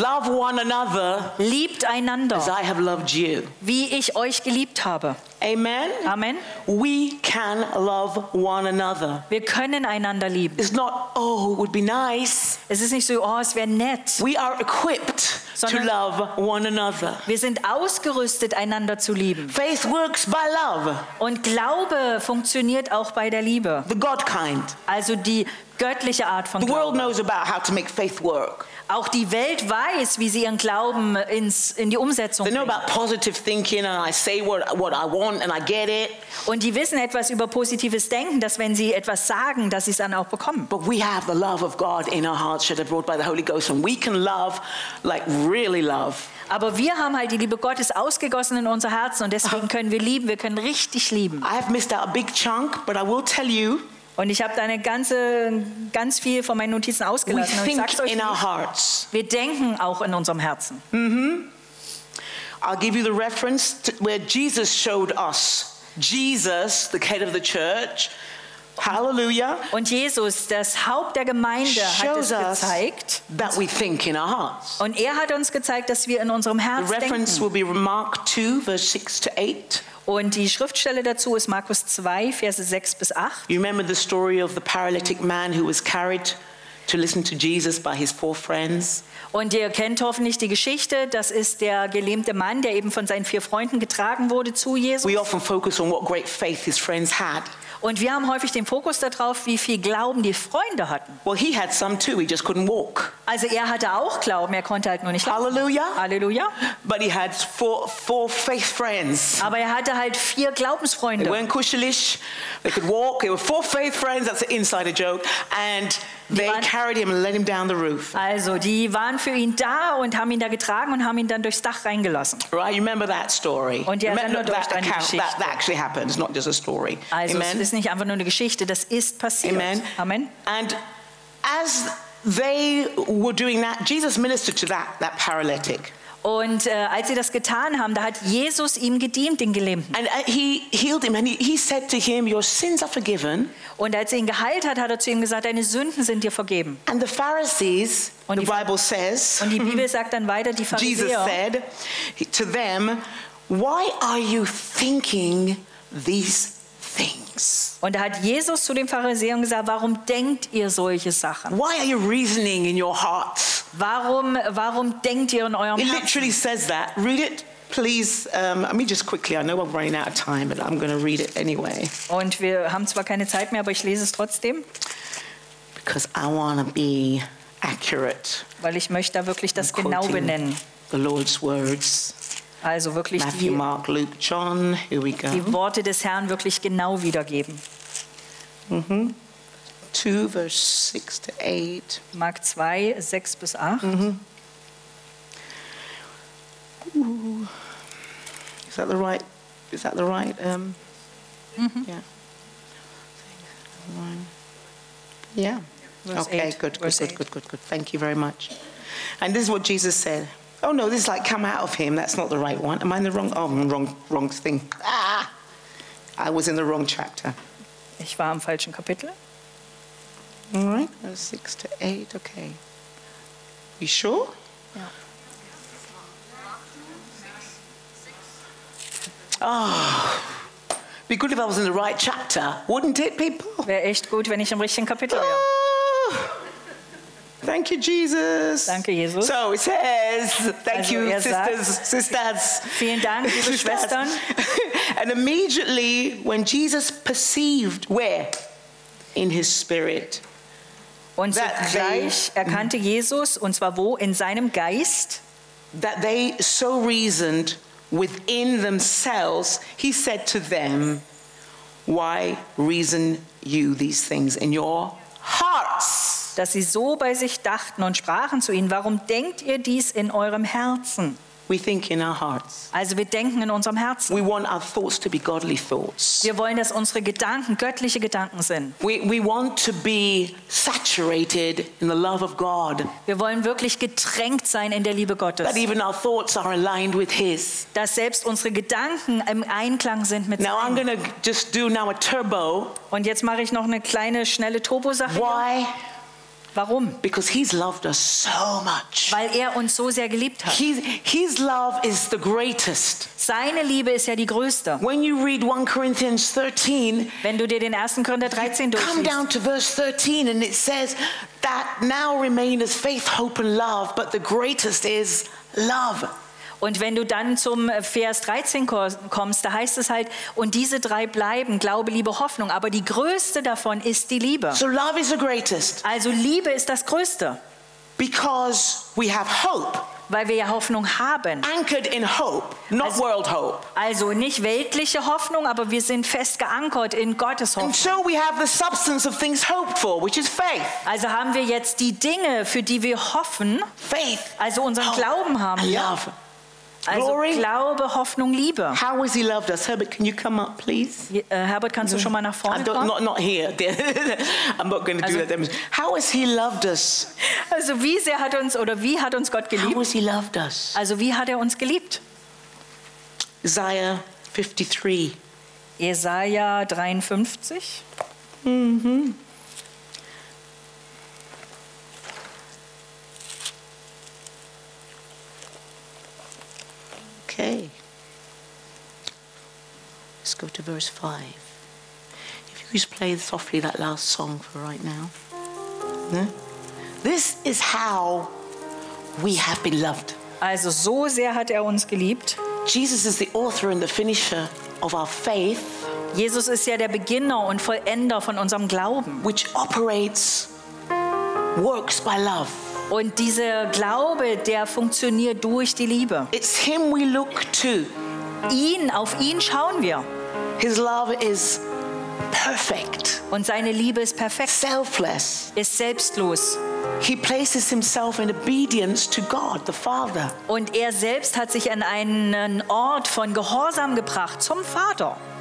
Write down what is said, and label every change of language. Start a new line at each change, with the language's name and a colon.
English: Love one another.
German: Liebt einander.
English: As I have loved you.
German: Wie ich euch geliebt habe.
English: Amen.
German: Amen.
English: We can love one another.
German: Wir können einander lieben.
English: It's not, oh, it would be nice.
German: Es ist nicht so, oh, es wäre nett.
English: We are equipped to love one another.
German: Wir sind ausgerüstet, einander zu lieben.
English: Faith works by love.
German: Und Glaube funktioniert auch bei der Liebe.
English: The God kind.
German: Also die göttliche Art von Glauben.
English: The world knows about how to make faith work.
German: Auch die Welt weiß, wie sie ihren Glauben in die Umsetzung bringt.
English: They know about positive thinking and I say what I want and I get it.
German: Und die wissen etwas über positives Denken, dass wenn sie etwas sagen, dass sie es dann auch bekommen.
English: But we have the love of God in our hearts shed abroad by the Holy Ghost and we can love, like really love.
German: Aber wir haben halt die Liebe Gottes ausgegossen in unser Herzen und deswegen können wir lieben, wir können richtig lieben.
English: I have missed out a big chunk, but I will tell you.
German: Und ich habe da eine ganze, ganz viel von meinen Notizen ausgelassen.
English: We
German: und ich sag's euch nicht, wir denken auch in unserem Herzen. Mm-hmm.
English: I'll give you the reference to where Jesus showed us. Jesus, the head of the church. Hallelujah.
German: Und Jesus, das Haupt der Gemeinde, hat es gezeigt.
English: That we think in our hearts.
German: Und er hat uns gezeigt, dass wir in unserem Herzen denken.
English: The reference
German: denken.
English: Will be Mark 2, verse 6 to 8.
German: Und die Schriftstelle dazu ist Markus 2, Verse 6 bis 8.
English: You remember the story of the paralytic man who was carried to listen to Jesus by his four friends.
German: Und ihr kennt hoffentlich die Geschichte. Das ist der gelähmte Mann, der eben von seinen vier Freunden getragen wurde zu Jesus.
English: We often focus on what great faith his friends had.
German: Und wir haben häufig den Fokus darauf, wie viel Glauben die Freunde hatten.
English: Well, he had some too. He just couldn't walk.
German: Also er hatte auch Glauben, er konnte halt nur nicht laufen. Halleluja. Halleluja.
English: But he had four faith friends.
German: Aber er hatte halt vier Glaubensfreunde.
English: They weren't kuschelig. They could walk. They were four faith friends. That's an insider joke. And they carried him and let him down the roof.
German: Also die waren für ihn da und haben ihn da getragen und haben ihn dann durchs Dach reingelassen.
English: Right, you remember that story?
German: Und ihr erinnert euch an die Geschichte.
English: That actually happened. It's not just a story.
German: Also, amen. Es ist nicht einfach nur eine Geschichte, das ist passiert.
English: Amen.
German: Amen.
English: And as they were doing that, Jesus ministered to that paralytic.
German: Und als sie das getan haben, da hat Jesus ihm gedient, den Gelähmten.
English: And he healed him and he said to him, your sins are forgiven.
German: Und als er ihn geheilt hat, hat er zu ihm gesagt, deine Sünden sind dir vergeben.
English: And the Pharisees, the Bible says,
German: und die Bibel sagt dann weiter, die Pharisäer,
English: Jesus said to them, why are you thinking these things?
German: Und da hat Jesus zu den Pharisäern gesagt, warum denkt ihr solche Sachen?
English: Why are you reasoning in your heart?
German: Warum denkt ihr in eurem Herzen?
English: It literally says that. Read it, please. Let me just quickly. I know I'm running out of time, but I'm going to read it anyway.
German: Und wir haben zwar keine Zeit mehr, aber ich lese es trotzdem.
English: Because I want to be accurate.
German: Weil ich möchte da wirklich das genau benennen.
English: The Lord's words.
German: Also wirklich
English: Matthew,
German: die,
English: Mark, Luke, John. Here we go.
German: Die Worte des Herrn wirklich genau wiedergeben.
English: Mm-hmm. 2, verse 6 to 8.
German: Mark 2, 6 bis 8.
English: Is that the right? Is that the right? Yeah. Okay, good. Thank you very much. And this is what Jesus said. Oh no, this is like come out of him. That's not the right one. Am I in the wrong? Oh, wrong thing. Ah, I was in the wrong chapter.
German: Ich war im falschen Kapitel.
English: All right, 6 to 8. Okay. You sure? Yeah. Oh, be good if I was in the right chapter, wouldn't it, people?
German: Wäre echt gut, wenn ich im richtigen Kapitel wäre.
English: Thank you, Jesus.
German: Danke, Jesus.
English: So it says, thank also, you, sisters.
German: Vielen Dank, liebe Schwestern.
English: And immediately, when Jesus perceived where? In his spirit.
German: Und zugleich erkannte Jesus, und zwar wo? In seinem Geist.
English: That they so reasoned within themselves, he said to them, why reason you these things in your hearts?
German: dass sie so bei sich dachten und sprachen zu ihnen: Warum denkt ihr dies in eurem Herzen?
English: We think in our hearts.
German: Also wir denken in unserem Herzen.
English: We want our thoughts to be godly thoughts.
German: Wir wollen, dass unsere Gedanken göttliche Gedanken sind.
English: We want to be saturated in the love of God.
German: Wir wollen wirklich getränkt sein in der Liebe Gottes.
English: That even our thoughts are aligned with His.
German: Dass selbst unsere Gedanken im Einklang sind mit
English: Now I'm going to just do now a turbo.
German: Und jetzt mache ich noch eine kleine schnelle Turbo-Sache.
English: Why?
German: Warum?
English: Because he's loved us so much.
German: Weil er uns so sehr geliebt hat.
English: His love is the greatest.
German: Seine Liebe ist ja die größte.
English: When you read 1 Corinthians 13,
German: wenn du dir den 1. Korinther 13 durchliest,
English: come down to verse 13 and it says that now remain is faith, hope and love, but the greatest is love.
German: Und wenn du dann zum Vers 13 kommst, da heißt es halt, und diese drei bleiben, Glaube, Liebe, Hoffnung. Aber die größte davon ist die Liebe.
English: So love is the greatest.
German: Also Liebe ist das Größte.
English: Because we have hope.
German: Weil wir ja Hoffnung haben.
English: Anchored in hope, not also, world hope.
German: Also nicht weltliche Hoffnung, aber wir sind fest geankert in Gottes Hoffnung.
English: And so we have the substance of things hoped for, which is faith.
German: Also haben wir jetzt die Dinge, für die wir hoffen.
English: Faith,
German: also unseren hope, Glauben haben.
English: And love.
German: Also Glaube, Hoffnung, Liebe.
English: How has he loved us? Herbert, can you come up, please?
German: Herbert, kannst du schon mal nach vorne kommen?
English: Not here. I'm not going to do that. How has he loved us?
German: Also wie sehr hat uns, oder wie hat uns Gott geliebt?
English: How has he loved us?
German: Also wie hat er uns geliebt?
English: Isaiah 53.
German: Jesaja 53. Mm-hmm.
English: Okay, let's go to verse 5. If you could just play softly that last song for right now. This is how we have been loved.
German: Also so sehr hat er uns geliebt.
English: Jesus is the author and the finisher of our faith.
German: Jesus ist ja der Beginner und Vollender von unserem Glauben.
English: Which operates, works by love.
German: Und dieser Glaube, der funktioniert durch die Liebe.
English: It's him we look to.
German: Ihn, auf ihn schauen wir.
English: His love is perfect.
German: Und seine Liebe ist perfekt.
English: Selfless.
German: Ist selbstlos.
English: He places himself in obedience to God, the Father.
German: Und er selbst hat sich an einen Ort von Gehorsam gebracht, zum Vater.